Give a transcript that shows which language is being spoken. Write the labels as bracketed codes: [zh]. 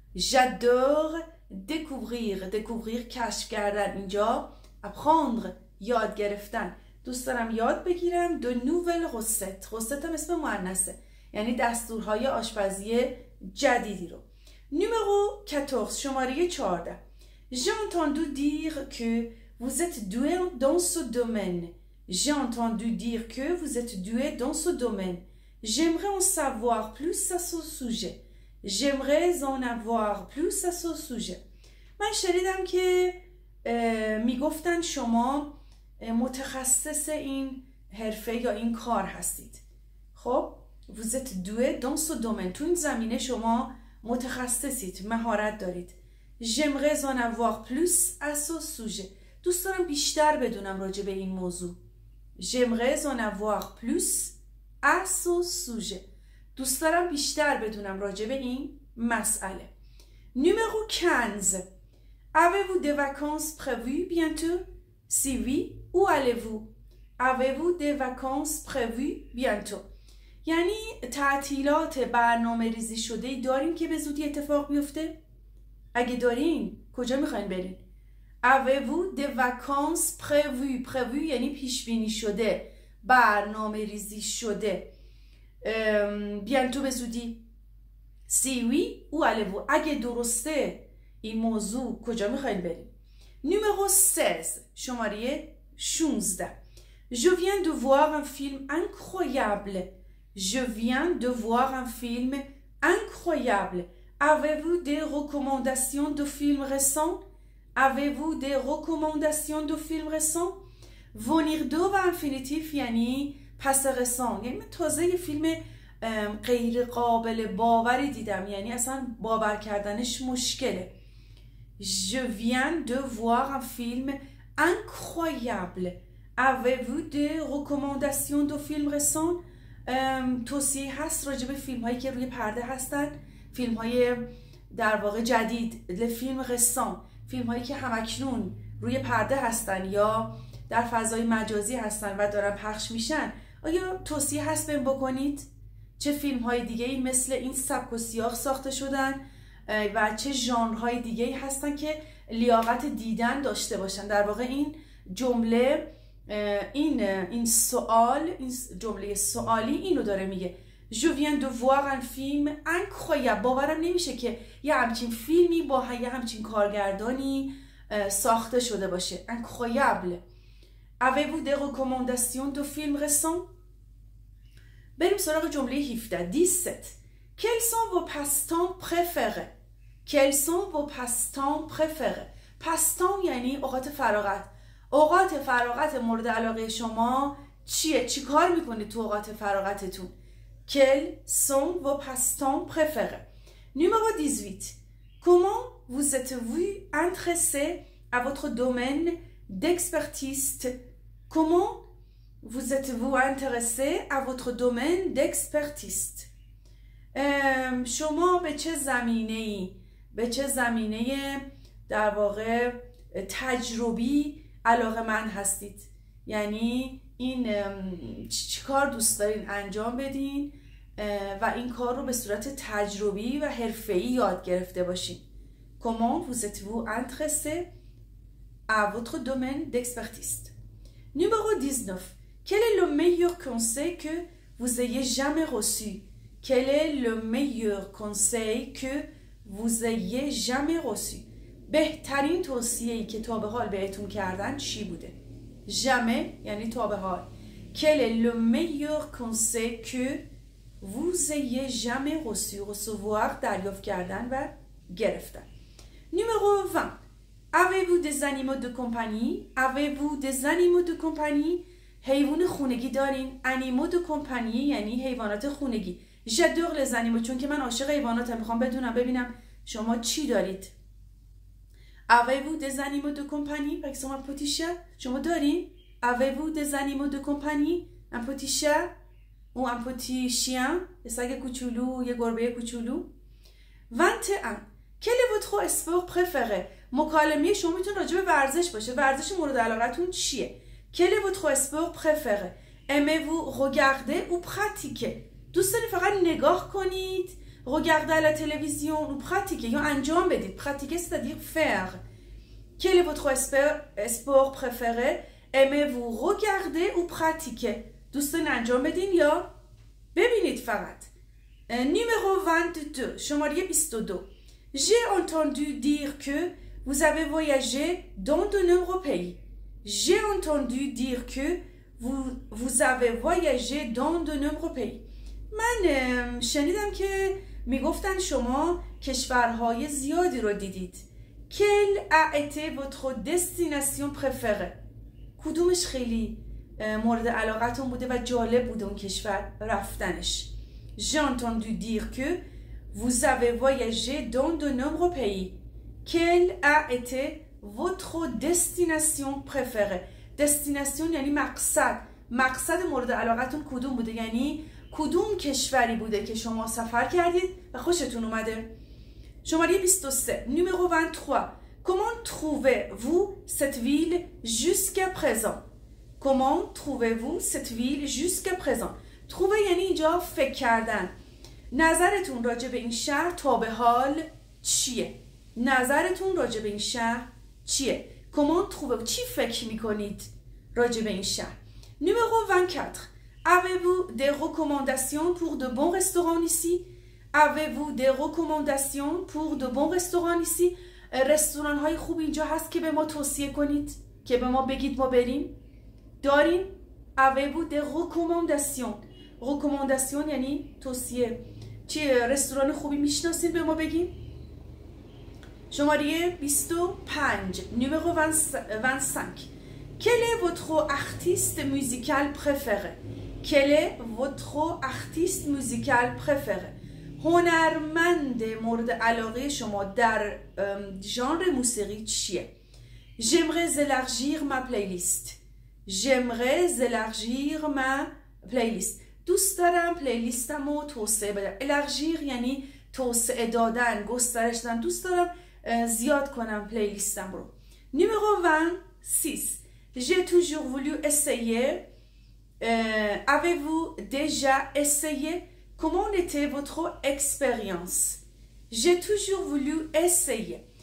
[fa] جدور دکوریر، دکوریر کشف کردن، اینجا اپخاندر یاد گرفتن. دوست دارم یاد بگیرم دو نوول روست. روست هم اسم مؤنثه، یعنی دستورهای آشپزی جدیدی رو. [fr] Numéro 14, [fa] شماره 14. [fr] J'ai entendu dire que vous êtes doué dans ce domaine. J'ai entendu dire que vous êtes doué dans ce domaine. J'aimerais en savoir plus à ce sujet. J'aimerais en avoir plus à ce sujet. [fa] من شنیدم که میگفتن شما متخصص این حرفه یا این کار هستید. [fr] خب vous êtes doué dans ce domaine. [fa] تو این زمینه شما متخصصید، مهارت دارید. [fr] J'aimerais en avoir plus à ce sujet. [fa] دوست دارم بیشتر بدونم راجع به این موضوع. [fr] J'aimerais en avoir plus à ce sujet. [fa] دوست دارم بیشتر بدونم راجع به این مسئله. [fr] Numéro 15. Avez-vous des vacances prévues bientôt? Si oui, où allez-vous? Avez-vous des vacances prévues bientôt? [fa] یعنی تعطیلات برنامه ریزی شده ای دارین که به زودی اتفاق بیفته؟ اگه دارین کجا میخواین برین؟ [fr] Avez-vous des vacances prévues? [fa] Prévues یعنی پیشبینی شده، برنامه ریزی شده. Bientôt به زودی. [fr] Si oui, où allez-vous? [fa] اگه درسته این موضوع کجا میخواییم بریم؟ نیمرو 16 شماره 16. [fr] Je viens de voir un film incroyable. Je viens de voir un film incroyable. Avez-vous des recommandations de films récents? Avez-vous des recommandations de films récents? [fa] Venir de و infinitif یعنی پس رسان، یعنی تازه یه فیلم غیر قابل باوری دیدم، یعنی اصلا باور کردنش مشکله. [fr] Je viens de voir un film incroyable. Avez-vous des recommandations de films récents? [fa] توصیه هست راجع به فیلم هایی که روی پرده هستن، فیلم های در واقع جدید، فیلم رسان، فیلم هایی که همکنون روی پرده هستن یا در فضای مجازی هستن و دارن پخش میشن، آیا توصیه هست بهم بکنید؟ چه فیلم های دیگه ای مثل این سبک و سیاق ساخته شدن؟ و چه ژانرهای دیگه ای هستن که لیاقت دیدن داشته باشن؟ در واقع این جمله، این سوال، این جمله سوالی اینو داره میگه. [fr] Je viens de voir un film incroyable. [fa] باورم نمیشه که یه همچین فیلمی با یه همچین کارگردانی ساخته شده باشه. [fr] Incroyable. Avez-vous des recommandations de films récents? [fa] بریم سراغ جمله 17. 17. [fr] Quels sont vos passe-temps préférés? Quels sont vos passe-temps préférés? [fa] Passe-temps یعنی اوقات فراغت. اوقات فراغت مورد علاقه شما چیه؟ چی کار میکنید تو اوقات فراغتتون؟ [fr] Quels sont vos passe-temps préférés? Numéro 18. Comment vous êtes-vous intéressé à votre domaine d'expertise? Comment vous êtes-vous intéressé à votre domaine d'expertise? [fa] شما به چه زمینه ای؟ به چه زمینه در واقع تجربی علاقه من هستید؟ یعنی این چی کار دوست دارین انجام بدین و این کار رو به صورت تجربی و حرفه‌ای یاد گرفته باشین. [fr] Comment vous êtes-vous intéressé à votre domaine d'expertise? Numéro 19. Quel est le meilleur conseil que vous ayez jamais reçu? Quel est le meilleur conseil que vous ayez jamais reçu? [fa] بهترین توصیه‌ای که تا به حال بهتون کردن چی بوده؟ jamais یعنی تا به حال. [fr] Quel est le meilleur conseil que vous ayez jamais reçu? [fa] Recevoir دریافت کردن و گرفتن. [fr] Numéro 20. Avez-vous des animaux de compagnie? Avez-vous des animaux de compagnie? [fa] حیوان خونگی دارین؟ animaux de compagnie یعنی حیوانات خونگی. [fr] J'adore les animaux [fa] چون که من عاشق حیواناتم، میخوام بدونم ببینم شما چی دارید. [fr] Avez-vous des animaux de compagnie? Par exemple un petit chat. [fa] شما دارین؟ [fr] Avez-vous des animaux de compagnie? Un petit chat ou un petit chien? [fa] یه سگ کوچولو، یه گربه کوچولو. 21. [fr] Quel est votre sport préféré? [fa] مکالمه شما میتونه راجع به ورزش باشه. ورزش مورد علاقتون چیه؟ [fr] Quel est votre sport préféré? Aimez-vous regarder ou pratiquer? [fa] دوست دارید فقط نگاه کنید، رگرده على تلویزیون و پراتیکه یا انجام بدید؟ پراتیکه ستادیر فر. [fr] Quel est votre sport préféré? Aimez-vous regarder ou pratiquer? [fa] دوست دارید انجام بدین یا ببینید فقط؟ نیمرو 22، شماره 22. [fr] J'ai entendu dire que vous avez voyagé dans de nombreux pays. J'ai entendu dire que vous avez voyagé dans de nombreux pays. [fa] من شنیدم که میگفتن شما کشورهای زیادی رو دیدید. [fr] Quelle a été votre destination préférée? [fa] کدومش خیلی مورد علاقتون بوده و جالب بود اون کشور رفتنش؟ [fr] J'ai entendu dire que vous avez voyagé dans de nombreux pays. Quelle a été votre destination préférée? [fa] Destination یعنی مقصد. مقصد مورد علاقتون کدوم بوده؟ یعنی کدوم کشوری بوده که شما سفر کردید و خوشتون اومده؟ شماره 23. [fr] Numéro 23. Comment trouvez-vous cette ville jusqu'à présent? Comment trouvez-vous cette ville jusqu'à présent? [fa] Trouver یعنی اینجا فکر کردن. نظرتون راجع به این شهر تا به حال چیه؟ نظرتون راجع به این شهر چیه؟ [fr] Comment trouvez-vous [fa] چی فکر میکنید راجع به این شهر؟ [fr] Numéro 24. Avez-vous des recommandations pour de bons restaurants ici? Avez-vous des recommandations pour de bons restaurants ici? [fa] Restaurant-های خوب اینجا هست که به ما توصیه کنید؟ که به ما بگید ما بریم؟ دارین؟ [fr] Avez-vous des recommandations? [fa] Recommandation یعنی توصیه. چه رستوران خوبی میشناسید به ما بگید؟ شماره 25. [fr] Numéro 25. Quel est votre artiste musical préféré? Quel est votre artiste musical préféré? [fa] هنرمند مورد علاقه شما در ژانر موسیقی چیه؟ [fr] J'aimerais élargir ma playlist. J'aimerais élargir ma playlist. [fa] دوست دارم پلیلیستمو توسعه بدم. Élargir یعنی توسعه دادن، گسترش دادن. دوست دارم زیاد کنم پلیلیستم رو. [fr] Numéro 26. J'ai toujours voulu essayer. Avez-vous déjà essayé? Comment était votre expérience? J'ai toujours voulu essayer.